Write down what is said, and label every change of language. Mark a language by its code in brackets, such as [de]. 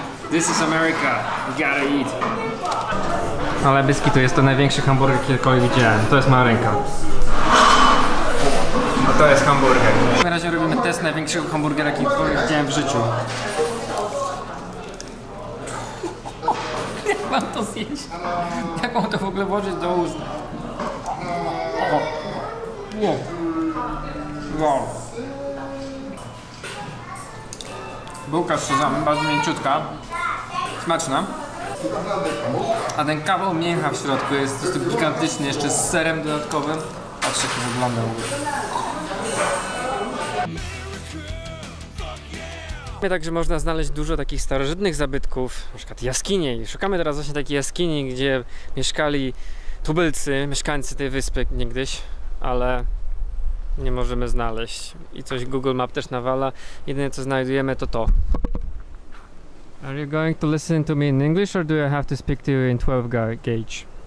[en] This is America, you gotta eat. [pl] Ale biski to jest to największy hamburger, kiedykolwiek widziałem. To jest mała ręka. To jest hamburger. W takim razie robimy test największego hamburgera, jaki widziałem w życiu. Jak mam to zjeść? Jak mam to w ogóle włożyć do ust? Bułka z sezamem, bardzo mięciutka. Smaczna. A ten kawał mięcha w środku jest po prostu gigantyczny, jeszcze z serem dodatkowym. Patrz, jak to wygląda. Także można znaleźć dużo takich starożytnych zabytków, na przykład jaskinie. Szukamy teraz właśnie takiej jaskini, gdzie mieszkali tubylcy, mieszkańcy tej wyspy niegdyś, ale nie możemy znaleźć. I coś Google Map też nawala. Jedyne co znajdujemy to to. [en] Are you going to listen to me in English or do I have to speak to you in 12 gauge?